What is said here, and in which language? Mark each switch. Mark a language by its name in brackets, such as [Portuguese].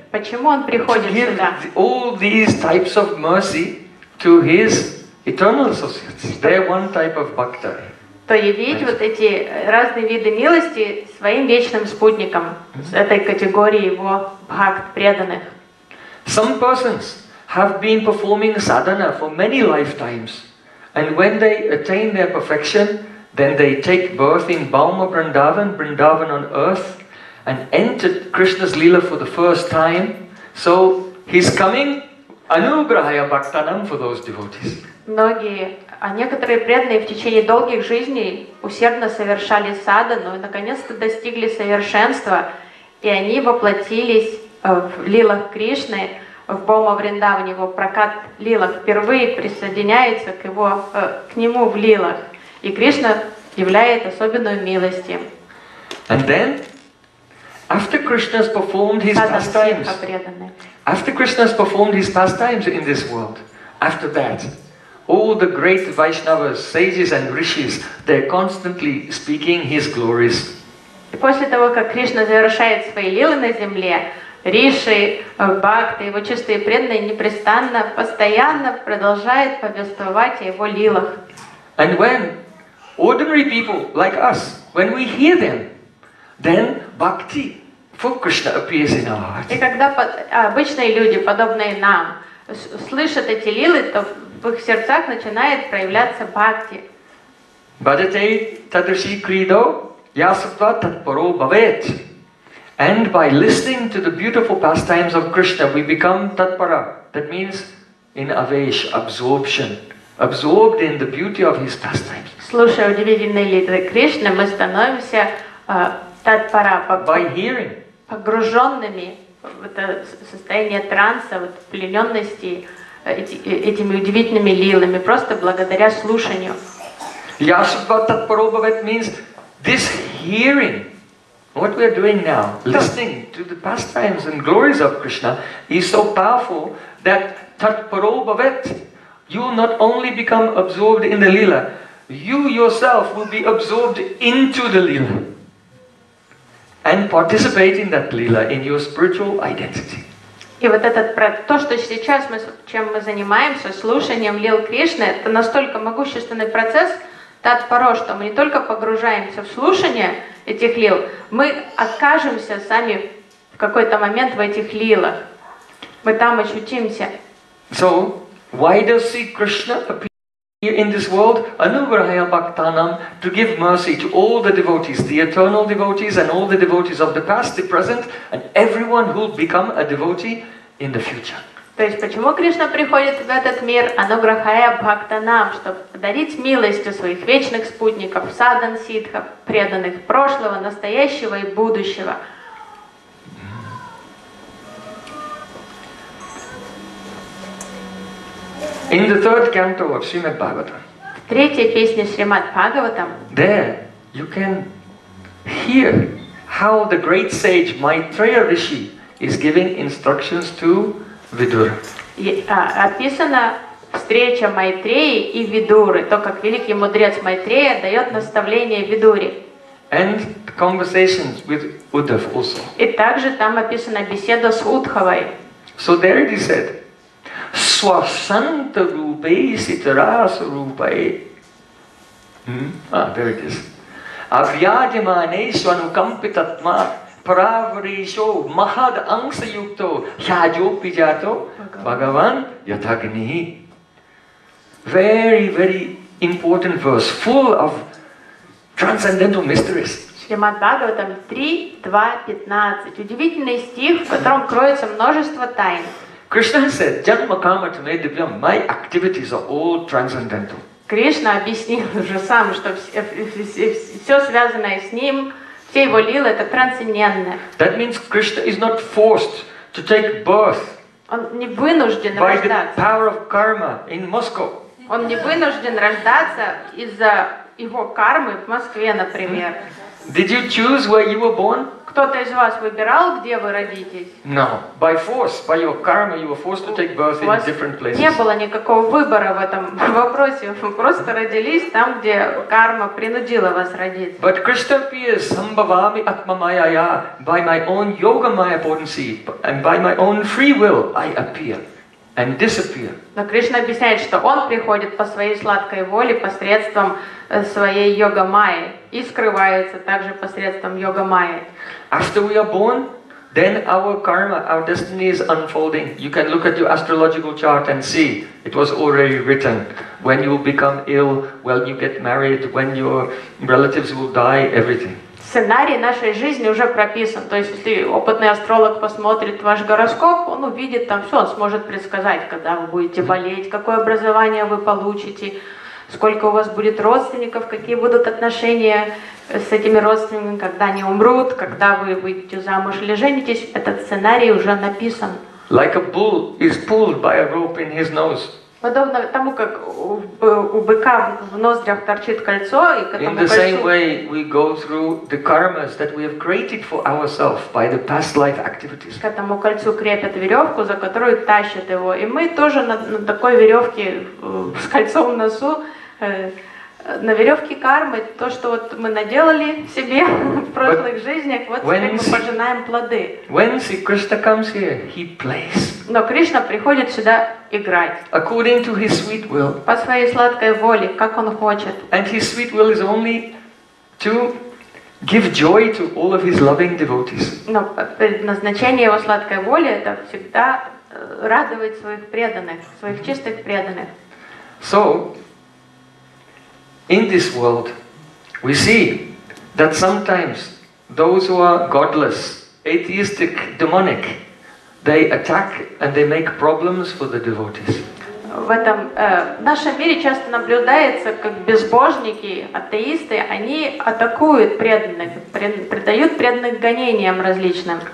[Russian] Почему он приходит сюда? [English] To give all these types of mercy to his eternal associates. They're one type of bhakta. [Russian] То явить вот эти разные виды милости своим вечным спутникам с этой категории его бхакт преданных. [English] Some persons have been performing sadhana for many lifetimes, and when they attain their perfection, then they take birth in Bauma Vrindavan, Vrindavan on earth, and entered Krishna's lila for the first time. So he's coming [Sanskrit] anugrahaya bhaktanam [English] for those devotees. [Russian] А некоторые преданные в течение долгих жизней усердно совершали садхану и наконец-то достигли совершенства, и они воплотились в лилах Кришны, в Бома Вриндаване, его прокат лилах, впервые присоединяются к его, к нему в лилах, и Кришна являет особенную милость. [English] And then, after Krishna's performed his pastimes, after Krishna's performed his pastimes in this world, after that, All the great Vaishnavas, sages and rishis, they're constantly speaking his glories. [Russian] И после того, как Кришна завершает свои лилы на земле, риши, бхакты, его чистые преданные непрестанно, постоянно продолжают повествовать о его лилах. [English] And when ordinary people like us, when we hear them, then bhakti for Krishna appears in our heart. [Russian] И когда обычные люди, подобные нам, слышат эти лилы, то в их сердцах начинает проявляться бхакти. [Sanskrit] Бхадатей тадрши кридо ясатва татпаро бхавет. [English] And by listening to the beautiful pastimes of Krishna, we become tatpara. That means in avesh, absorption. Absorbed in the beauty of his pastimes. [Russian] Слушая удивительные лилы Кришны, мы становимся татпара. [English] By hearing. [Russian] Погруженными в это состояние транса, вот плененности этими удивительными лилами, просто благодаря слушанию. [Sanskrit] Ясатва татпаро бхавет [English] means this hearing. What we are doing now, listening to the pastimes and glories of Krishna, is so powerful that [Sanskrit] tatparo bhavet, [English] you will not only become absorbed in the lila, you yourself will be absorbed into the lila and participate in that lila in your spiritual identity. [Russian] И вот этот то, что сейчас мы чем мы занимаемся, слушанием лил Кришны, это настолько могущественный процесс. Татпаро, что мы не только погружаемся в слушание этих лил, мы окажемся сами в какой-то момент в этих лилах. Мы там ощутимся. [English] So, why does Sri Krishna appear in this world? [Sanskrit] Anugrahaya Bhaktanam, [English] to give mercy to all the devotees, the eternal devotees and all the devotees of the past, the present and everyone who will become a devotee in the future. [Russian] То есть, почему Кришна приходит в этот мир, [Sanskrit] ануграхая бхактанам, [Russian] чтобы подарить милость у своих вечных спутников, садан ситхов, преданных прошлого, настоящего и будущего. [English] In the third canto of Srimad Bhagavatam, [Russian] в третьей песне Шримад Бхагаватам, [English] there you can hear how the great sage Maitreya Rishi is giving instructions to Видура. [Russian] Описана встреча Майтреи и Видуры, то, как великий мудрец Майтрея дает наставление Видуре. [English] And conversations with Uddhav also. [Russian] И также там описана беседа с Удхавой. [English] So there it is said, [Sanskrit] Свасанта рупей ситарас рупей. [English] There it is. [Sanskrit] Авьядимане сванукампитатма. Праврешо махад ангса юкто хаджо пиджато Бхагаван ятагни. [English] Very, very important verse, full of transcendental mysteries. [Russian] Шримад Бхагаватам 3.2.15. Удивительный стих, в котором кроется множество тайн. [English] Кришна said, [Sanskrit] Janma kama tame divyam, [English] my activities are all transcendental. [Russian] Кришна объяснил уже сам, что все связанное с ним, все его лилы это трансцендентное. [English] That means Krishna is not forced to take birth. [Russian] Он не вынужден рождаться. [English] By the power of karma in Moscow. [Russian] Он не вынужден рождаться из-за его кармы в Москве, например. [English] Did you choose where you were born? [Russian] Кто-то из вас выбирал, где вы родитесь? [English] No, by force, by your karma, you were forced to take birth in different places. [Russian] У вас не было никакого выбора в этом вопросе. Вы просто родились там, где карма принудила вас родиться. [English] But Krishna appears [Sanskrit] sambhavami atmamayaya [English] by my own yoga maya potency and by my own free will I appear and disappear. [Russian] Но Кришна объясняет, что он приходит по своей сладкой воле посредством своей йога майи и скрывается также посредством йога майи. [English] After we are born, then our karma, our destiny is unfolding. You can look at your astrological chart and see it was already written. When you become ill, when you get married, when your relatives will die, everything. [Russian] Сценарий нашей жизни уже прописан. То есть, если опытный астролог посмотрит ваш гороскоп, он увидит там все, он сможет предсказать, когда вы будете болеть, какое образование вы получите, сколько у вас будет родственников, какие будут отношения с этими родственниками, когда они умрут, когда вы выйдете замуж или женитесь. Этот сценарий уже написан. [English] Like a bull is pulled by a rope in his nose. [Russian] Подобно тому, как у быка в ноздрях торчит кольцо, и к этому [English] In the [Russian] кольцу... [English] same way we go through the karmas that we have created for ourselves by the past life activities. [Russian] К этому кольцу крепят веревку, за которую тащат его, и мы тоже на такой веревке с кольцом в носу, на веревке кармы, то, что вот мы наделали себе в прошлых жизнях, вот теперь мы пожинаем плоды. [English] When Sri Krishna comes here, he plays. [Russian] Но Кришна приходит сюда играть. [English] According to his sweet will. [Russian] По своей сладкой воле, как он хочет. [English] And his sweet will is only to give joy to all of his loving devotees. [Russian] Но предназначение его сладкой воли – это всегда радовать своих преданных, своих чистых преданных. [English] So, in this world, we see that sometimes those who are godless, atheistic, demonic, they attack and they make problems for the devotees. [Russian] В этом нашем мире часто наблюдается, как безбожники, атеисты, они атакуют преданных, придают преданных гонениям различным.